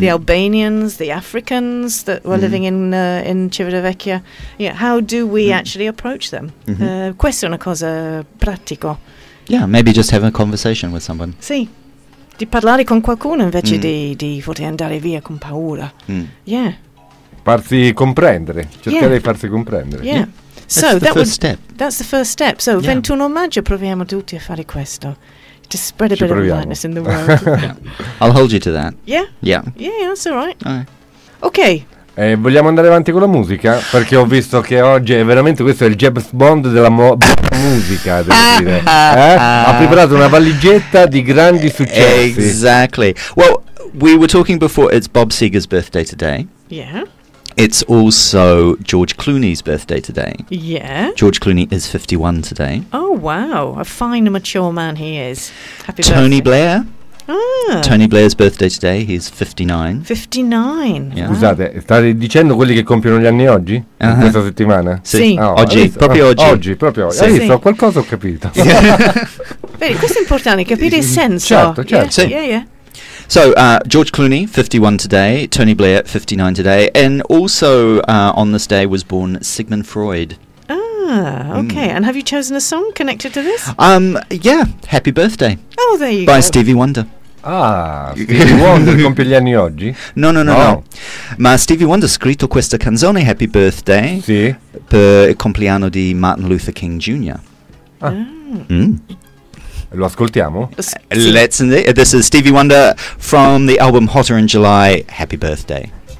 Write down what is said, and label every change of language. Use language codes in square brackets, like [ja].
[en] the Albanians, the Africans that were mm-hmm. living in Civitavecchia. Yeah, how do we mm-hmm. actually approach them? Mm-hmm. [it] Questa è una cosa pratica. [en] Yeah, maybe just have a conversation with someone. [it] Sì. Di parlare con qualcuno invece di poter andare via con paura. [en] Mm. Yeah. [it] Farsi comprendere. Cercare di farsi comprendere. [en] Yeah. That's the first step. That's the first step. So, [it] 21 maggio proviamo tutti a fare questo. [en] To spread a bit of awareness in the world. Yeah. I'll hold you to that. Yeah? Yeah. Yeah, that's all right. All right. Okay. [it] Vogliamo andare avanti con la musica? Perché ho visto che oggi è veramente questo è il James Bond della musica, devo dire. Ha preparato una valigetta di grandi successi. [en] Exactly. Well, we were talking before, it's Bob Seger's birthday today. Yeah. It's also George Clooney's birthday today. Yeah. George Clooney is 51 today. Oh, wow. A fine, mature man he is. Happy Tony birthday. Blair. Ah. Tony Blair's birthday today, he's 59. 59. Yeah. [it] Scusate, stai dicendo quelli che compiono gli anni oggi? Uh-huh. Questa settimana? Sì, oh, oggi, proprio oggi. Oggi, proprio oggi. Sì. Ho qualcosa ho capito. Vedi, questo è importante, capire il senso. Certo, certo. [en] Yeah, sì. Yeah. So, George Clooney, 51 today, Tony Blair, 59 today, and also on this day was born Sigmund Freud. Okay, and have you chosen a song connected to this? Happy Birthday. Oh, there you by go. By Stevie Wonder. [it] Ah, Stevie Wonder compie gli anni oggi? No. Ma Stevie Wonder ha scritto questa canzone, Happy Birthday, sì. per il compleanno di Martin Luther King Jr. Ah. Mm. Lo ascoltiamo? [en] This is Stevie Wonder from the album Hotter in July, Happy Birthday.